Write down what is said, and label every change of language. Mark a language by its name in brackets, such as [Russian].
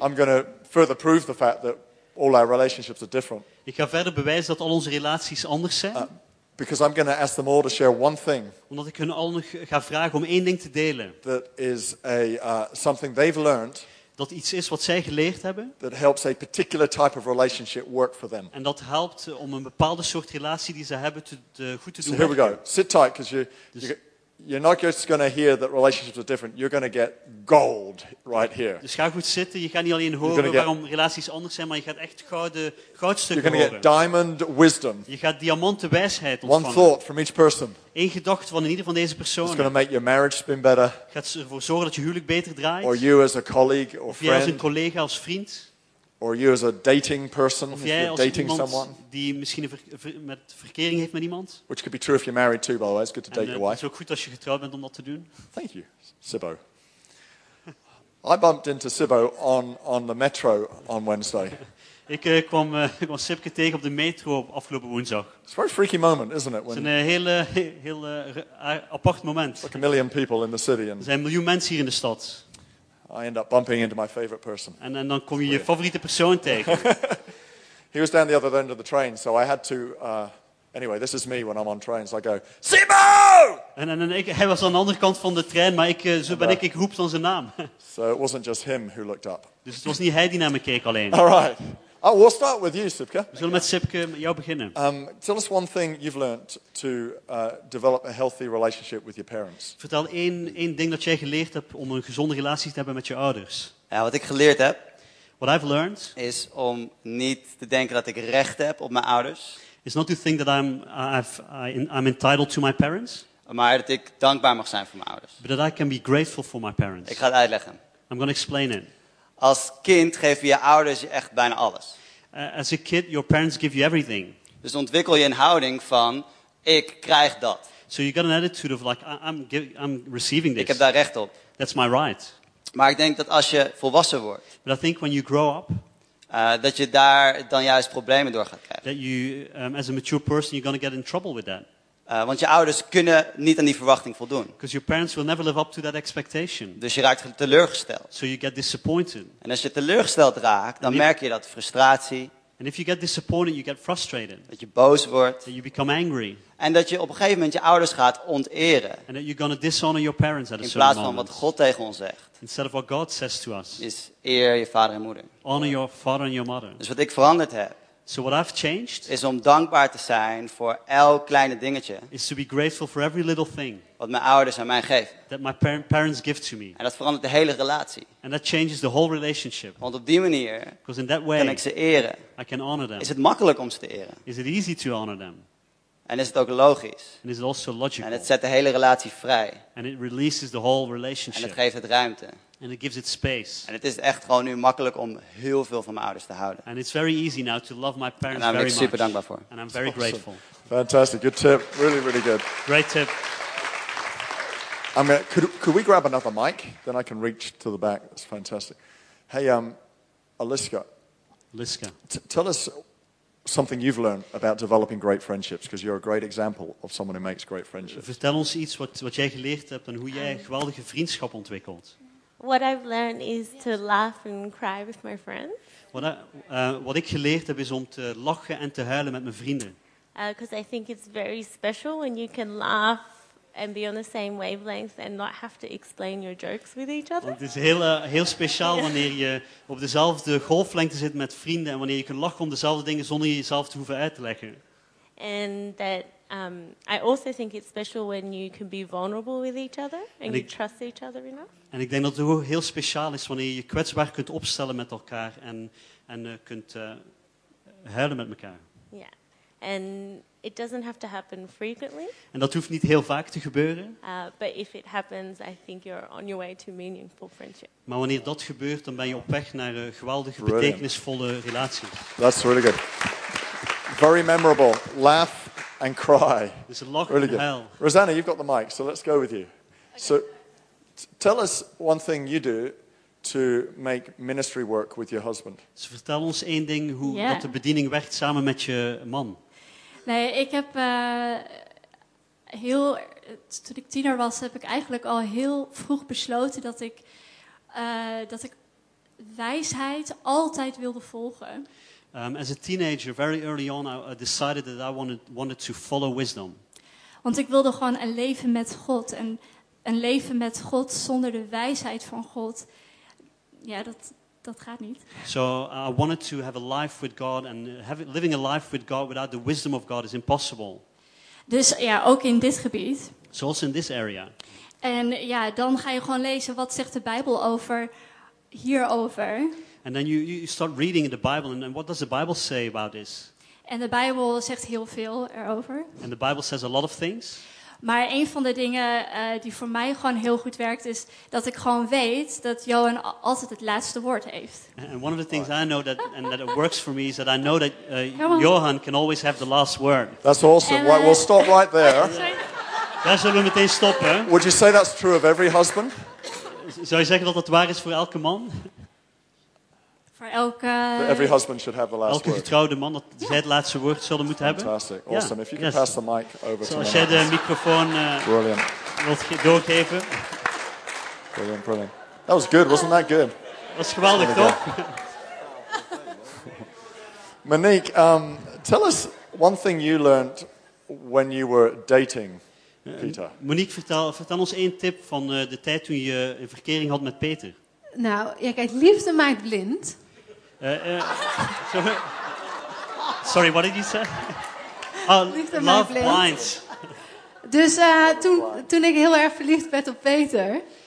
[English] I'm going to further prove the fact that all our relationships are different. [Dutch] Ik ga verder bewijzen dat al onze relaties anders zijn. [English] Because I'm going to ask them all to share one thing. [Dutch] Omdat ik hun allen ga vragen om één ding te delen. [English] That is a something they've learned. [Dutch] Dat iets is wat zij geleerd hebben. [English] That helps a particular type of relationship work for them. [Dutch] En dat helpt om een bepaalde soort relatie die ze hebben goed te doen. [English] So here we go. Sit tight, because you're not just going to hear that relationships are different. You're going to get gold right here. [Dutch] Dus ga goed zitten. Je gaat niet alleen horen waarom relaties anders zijn, maar je gaat echt goudstukken horen. [English] You're going to get diamond wisdom. [Dutch] Je gaat diamanten wijsheid ontvangen. [English] One thought from each person. [Dutch] Eén gedachte van in ieder van deze personen. [English] It's going to make your marriage spin better. [Dutch] Gaat ervoor zorgen dat je huwelijk beter draait. [English] Or you as a colleague or friend. [Dutch] Of jij als een collega als vriend. [English] Or you as a dating person. [Dutch] Of jij als [English] dating someone. [Dutch] Die misschien met verkering heeft met iemand. [English] Which could be true if you're married too, by the way. It's good to date your wife. [Dutch] Het is ook goed als je getrouwd bent om dat te doen. [English] Thank you, Sibbo. I bumped into Sibbo on the metro on Wednesday. [Dutch] Ik kwam Sibke tegen op de metro op afgelopen woensdag. [English] It's a very freaky moment, isn't it? [Dutch] Het is een heel apart moment. [English] Like a million people in the city. [Dutch] Er zijn miljoen mensen hier in de stad. [English] I end up bumping into my favorite person. [Dutch] En dan kom je je favoriete persoon tegen. [English] He was down the other end of the train, so I had to. Anyway, this is me when I'm on trains. I go, Sibbo! [Dutch] En hij was aan de andere kant van de trein, maar ik roep dan zijn naam. [English] So it wasn't just him who looked up. [Dutch] Dus het was niet hij die naar me keek alleen. [English] All right. Oh, we'll start with you, Sibke. [Dutch] We zullen met Sibke jou beginnen. [English] Tell us one thing you've learned to develop a healthy relationship with your parents. [Dutch] Vertel één ding dat jij geleerd hebt om een gezonde relatie te hebben met je ouders. Ja, wat ik geleerd heb. [English] What I've learned [Dutch] is om niet te denken dat ik recht heb op mijn ouders. [English] It's not to think that I'm entitled to my parents. [Dutch] Maar dat ik dankbaar mag zijn voor mijn ouders. [English] But that I can be grateful for my parents. [Dutch] Ik ga het uitleggen. [English] I'm going to explain it. [Dutch] Als kind geven je ouders je echt bijna alles. [English] As a kid, your parents give you everything. [Dutch] Dus ontwikkel je een houding van ik krijg dat. [English] So you got an attitude of like I'm receiving this. [Dutch] Ik heb daar recht op. [English] That's my right. [Dutch] Maar ik denk dat als je volwassen wordt, [English] but I think when you grow up, [Dutch] dat je daar dan juist problemen door gaat krijgen. [English] That you, as a mature person, you're gonna get in trouble with that. [Dutch] Want je ouders kunnen niet aan die verwachting voldoen. [English] Because your parents will never live up to that expectation. [Dutch] Dus je raakt teleurgesteld. [English] So you get disappointed. [Dutch] En als je teleurgesteld raakt, dan merk je dat frustratie. [English] And if you get disappointed, you get frustrated. [Dutch] Dat je boos wordt. [English] That you become angry. [Dutch] En dat je op een gegeven moment je ouders gaat onteren. [English] And that you're gonna dishonor your parents at a certain moment. [Dutch] In plaats van wat God tegen ons zegt. [English] Instead of what God says to us. [Dutch] Is eer je vader en moeder. [English] Honor your father and your mother. [Dutch] Dus wat ik veranderd heb. [English] So what I've changed [Dutch] is om dankbaar te zijn voor elk kleine dingetje. [English] Is to be grateful for every little thing. [Dutch] Wat mijn ouders aan mij geven. [English] That my parents give to me. [Dutch] En dat verandert de hele relatie. [English] And that changes the whole relationship. [Dutch] Want op die manier [English] in that way, [Dutch] kan ik ze eren. [English] I can honor them. [Dutch] Is het makkelijk om ze te eren? [English] Is it easy to honor them? [Dutch] En is het ook logisch? [English] And is it also logical? [Dutch] En het zet de hele relatie vrij. [English] And it releases the whole relationship. [Dutch] En het geeft het ruimte. [English] And it gives it space. [Dutch] En het is echt gewoon nu makkelijk om heel veel van mijn ouders te houden. [English] And it's very easy now to love my parents very much. [Dutch] En daar ben ik super dankbaar voor. [English] And I'm very grateful. Fantastic, good tip, really, really good. Great tip. I mean, could we grab another mic? Then I can reach to the back. That's fantastic. Hey, Aliska. Aliska. Tell us something you've learned about developing great friendships, because you're a great example of someone who makes great friendships. [Dutch] Vertel ons iets wat jij geleerd hebt en hoe jij geweldige vriendschap ontwikkelt. [English] What I've learned is to laugh and cry with my friends. [Dutch] Wat ik geleerd heb is om te lachen en te huilen met mijn vrienden. [English] Because I think it's very special when you can laugh and be on the same wavelength and not have to explain your jokes with each other. [Dutch] Het is heel speciaal wanneer je op dezelfde golflengte zit met vrienden en wanneer je kunt lachen om dezelfde dingen zonder jezelf te hoeven uit te leggen. [English] And that I also think it's special when you can be vulnerable with each other and you trust each other enough. [Dutch] En ik denk dat het ook heel speciaal is wanneer je kwetsbaar kunt opstellen met elkaar en kunt huilen met elkaar. [English] Ja. Yeah. And it doesn't have to happen frequently. [Dutch] En dat hoeft niet heel vaak te gebeuren. [English] But if it happens, I think you're on your way to meaningful friendship. [Dutch] Maar wanneer dat gebeurt, dan ben je op weg naar een geweldige, brilliant, betekenisvolle relatie. [English] That's really good. Very memorable. Laugh and cry. It's a lock really good. Hell. Rosanna, you've got the mic, so let's go with you. Okay. So tell us one thing you do to make ministry work with your husband. [Dutch] So vertel ons één ding hoe dat de bediening werkt samen met je man. Nee, ik heb heel, toen ik tiener was, heb ik eigenlijk al heel vroeg besloten dat ik wijsheid altijd wilde volgen. [English] As a teenager, very early on, I decided that I wanted to follow wisdom. [Dutch] Want ik wilde gewoon een leven met God. En een leven met God zonder de wijsheid van God, ja, dat gaat niet. [English] So I wanted to have a life with God, and living a life with God without the wisdom of God is impossible. [Dutch] Dus ja, ook in dit gebied. [English] So also in this area. [Dutch] En ja, dan ga je gewoon lezen, wat zegt de Bijbel over hierover? [English] And then you start reading in the Bible, and what does the Bible say about this? [Dutch] En de Bijbel zegt heel veel erover. [English] And the Bible says a lot of things. [Dutch] Maar een van de dingen die voor mij gewoon heel goed werkt is dat ik gewoon weet dat Johan altijd het laatste woord heeft. [English] And one of the things I know that and that it works for me is that I know that Johan can always have the last word. That's awesome. Well, we'll stop right there. [Dutch] Daar zullen we meteen stoppen. [English] Would you say that's true of every husband? [Dutch] Zou je zeggen dat waar is voor elke man? Voor elke. [English] Every husband should have the last word. [Dutch] Elke getrouwde man dat zij het laatste woord zullen moeten hebben. [English] Fantastic, awesome. Yeah. If you can pass the mic over to me. [Dutch] Als jij de microfoon wilt doorgeven. [English] Brilliant, brilliant. That was good, wasn't that good? [Dutch] Dat was geweldig, toch? [English] Monique, tell us one thing you learned when you were dating Peter. [Dutch] Monique, vertel ons één tip van de tijd toen je een verkering had met Peter. Nou, ja, kijk, liefde maakt blind. [English] Sorry, what did you say? [Dutch] Liefde maakt blind. [English] Love blinds. [Dutch] Dus toen ik heel erg verliefd werd op Peter.